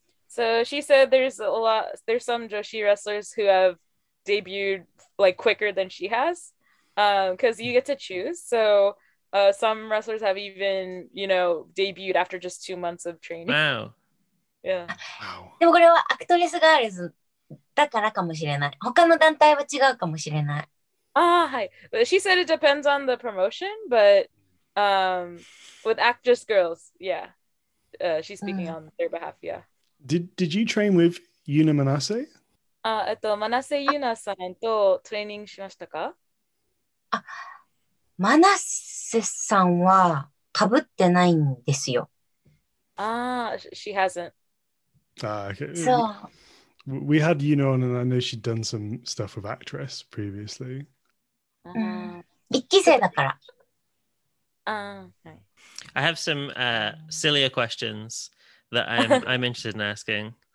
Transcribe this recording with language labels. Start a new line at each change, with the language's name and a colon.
English: So she said there's some Joshi wrestlers who have debuted like quicker than she has, because you get to choose. So some wrestlers have even, you know, debuted after just 2 months of training. Wow. Yeah. Wow.
Japanese: でもこれはアクトレスガールズだからかもしれない。他の団体は違うかもしれない。
English: Ah, hi. But she said it depends on the promotion, but with Actress Girls, yeah. She's speaking on their behalf, yeah. Did you train with Yuna Manase?
Japanese: Manase Yuna-san とトレーニングしましたか？マナセさんはかぶってないんですよ。
English: She hasn't. Okay. So, we had Yuna on, and I know she'd done some stuff with Actress previously.
Japanese: 一期生だから。
English: Okay. I have some sillier questions that I'm interested in asking.